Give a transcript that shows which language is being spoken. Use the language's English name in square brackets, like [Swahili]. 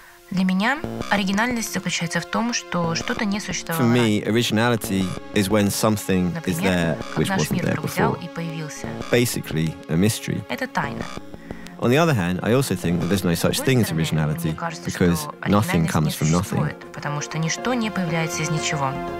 [Russian] Для меня оригинальность заключается в том, что что-то не существовало. [English] For me, originality is when something is there, which wasn't there before. Basically, a mystery. [Russian] Это тайна. [English] On the other hand, I also think that there's no such thing as originality, because nothing comes from nothing. [Russian] Потому что ничто не появляется из ничего.